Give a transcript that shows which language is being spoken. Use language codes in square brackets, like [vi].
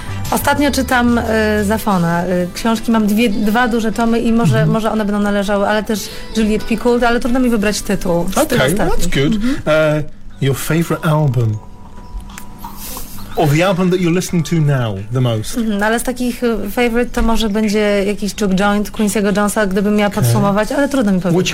[pl] Ostatnio czytam Zafona. Książki mam dwa duże tomy i może one będą należały, ale też Juliet Picoult, ale trudno mi wybrać tytuł. [en] Okay, that's good. Mm-hmm. Your favorite album? Or the album that you're listening to now the most? [pl] Mm-hmm, ale z takich favorite to może będzie jakiś Duke Joint, Quincy'ego Jonesa, gdybym miała podsumować, ale trudno mi powiedzieć.